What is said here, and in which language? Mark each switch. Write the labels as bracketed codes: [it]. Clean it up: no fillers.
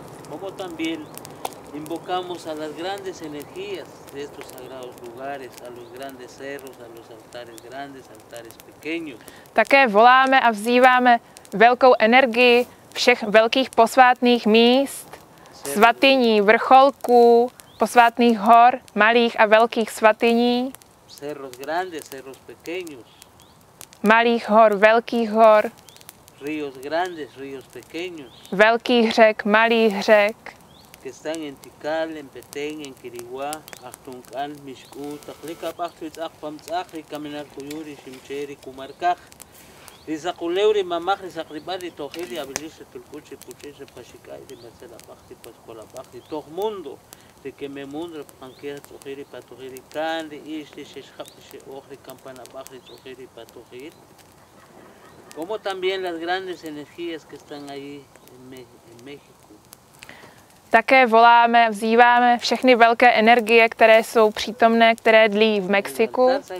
[es] Como también invocamos a las grandes energías de estos sagrados lugares, a los grandes cerros, a los altares grandes, altares pequeños. [cs] Také voláme a vzýváme velkou energii všech velkých posvátných míst, svatyní, vrcholků, posvátných hor, malých a velkých svatyní. [es] Cerros grandes, cerros pequeños. [cs] Malých hor, velkých hor. [es] Ríos grandes, ríos pequeños. [cs] Velkých řek, malých řek. [es] Que están en Tikal, en Petén, en Kirihuá, Achtunkal, Mishkú, Tachlikap, Achtuit, Achpamtzak, Rikaminar, Kuyuri, Shimcheri, Kumarkaj, Rizakuleuri, Mamaj, Rizakribari, Tojeli, Abilis, Tulkuchi, Puchese, Pashikai, Rimacela, Pachti, Pascola, Pachti, Tojmundo, Rikememundo, Panquea, Tojeli, Patojeli, Kandi, Ishti, Sheshapti, Sheohri, Kampana, Pachti, Tojeli, Patojeli. Como también las grandes energías que están ahí en México. [cs] Také voláme, vzýváme všechny velké energie, které jsou přítomné, které dlí v Mexiku.